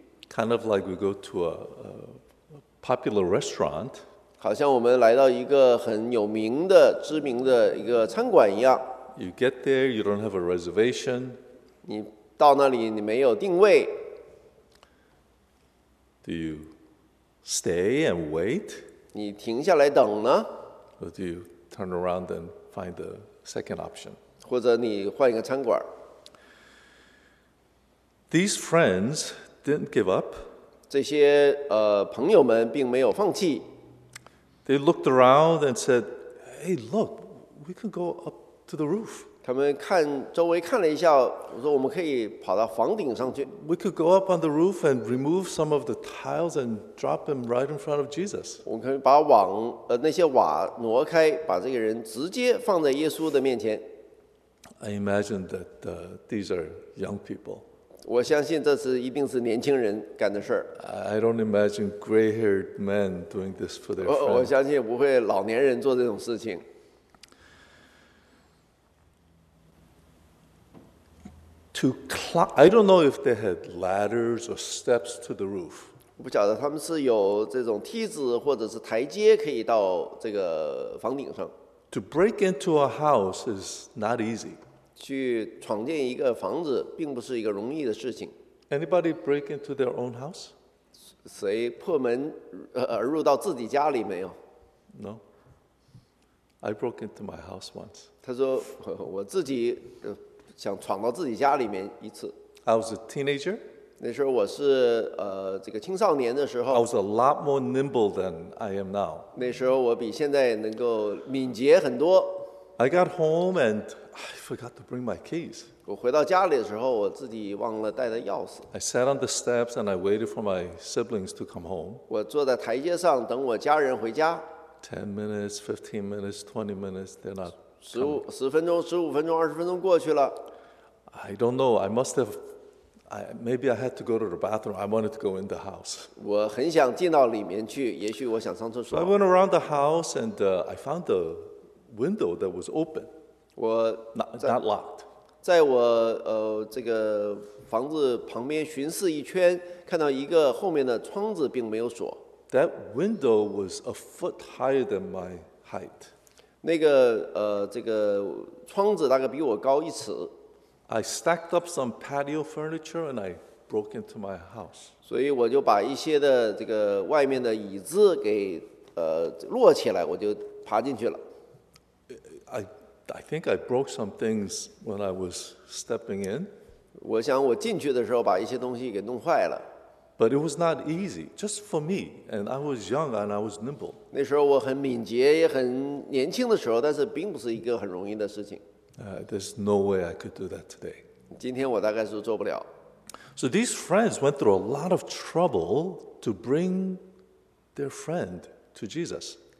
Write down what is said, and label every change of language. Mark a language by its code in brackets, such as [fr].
[en] kind of like we go to a popular restaurant. [zh] 好像我们来到一个很有名的, 知名的一个餐馆一样。 [en] You get there, you don't have a reservation. [zh] 你到那里, 你没有定位。 [en] Do you stay and wait? [zh] 你停下来等呢? [en] Or do you turn around and find the second option? [zh] 或者你换一个餐馆。 [en] These friends didn't give up. [zh] 这些, 朋友们并没有放弃。 [en] They looked around and said, hey, look, we could go up to the roof. [zh] 他们看周围看了一下, 说我们可以跑到房顶上去。 [en] We could go up on the roof and remove some of the tiles and drop them right in front of Jesus. [zh] 我们可以把网, 那些瓦挪开, 把这个人直接放在耶稣的面前。 [en] I imagine that these are young people. [zh] 我相信这是一定是年轻人干的事儿。 [en] I don't imagine gray-haired men doing this for their friends. [zh] 我相信不会老年人做这种事情。 [en] To climb, I don't know if they had ladders or steps to the roof. [zh] 我不晓得他们是有这种梯子或者是台阶可以到这个房顶上。 [en] To break into a house is not easy. [zh] 去闯进一个房子并不是一个容易的事情。 [en] Anybody break into their own house? [zh] 谁破门而入到自己家里没有？ [en] No. I broke into my house once. [zh] 他说我自己想闯到自己家里面一次。 [en] I was a teenager. [zh] 那时候我是, 这个青少年的时候。 [en] I was a lot more nimble than I am now. [zh] 那时候我比现在能够敏捷很多。 [en] I got home and I forgot to bring my keys. [zh] 我回到家里的时候，我自己忘了带的钥匙。 [en] I sat on the steps and I waited for my siblings to come home. [zh] 我坐在台阶上等我家人回家。 [en] 10 minutes, 15 minutes, 20 minutes, they're not coming. [zh] 10分钟, 15分钟, 20分钟 过去了。 [en] I don't know, I must have, maybe I had to go to the bathroom, I wanted to go in the house. [zh] 我很想进到里面去, 也许我想上厕所。 [en] I went around the house and I found the window that was open, not locked. [zh] 在我, 这个房子旁边巡视一圈, 看到一个后面的窗子并没有锁。 [en] That window was a foot higher than my height. [zh] 那个, 这个窗子大概比我高一尺。 [en] I stacked up some patio furniture and I broke into my house. [zh] 所以我就把一些的这个外面的椅子给, 摞起来, 我就爬进去了。 [en] I think I broke some things when I was stepping in. [zh] 我想我进去的时候把一些东西给弄坏了。 [en] But it was not easy, just for me, and I was young and I was nimble. [zh] 那时候我很敏捷，也很年轻的时候，但是并不是一个很容易的事情。 [en] There's no way I could do that today. [zh] 今天我大概是做不了。 [en] So these friends went through a lot of trouble to bring their friend to Jesus.